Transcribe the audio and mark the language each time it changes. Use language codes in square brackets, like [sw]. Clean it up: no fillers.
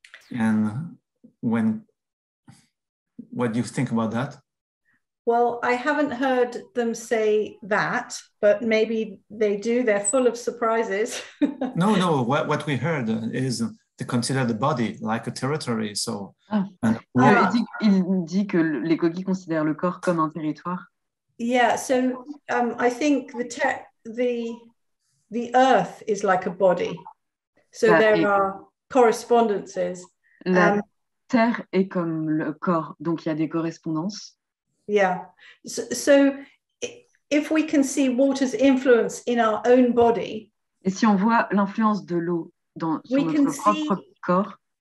[en] And what do you think about that? Well, I haven't heard them say that, but maybe they do. They're full of surprises. No. What we heard is they consider the body like a territory. So, [fr] il dit que les Kogi considèrent le corps comme un territoire. [en] Yeah. So, I think the earth is like a body. So there are correspondences. [fr] Terre est comme le corps, donc il y a des correspondances. [en] Yeah. So if we can see water's influence in our own body, [fr] et si on voit l'influence de l'eau dans notre propre corps,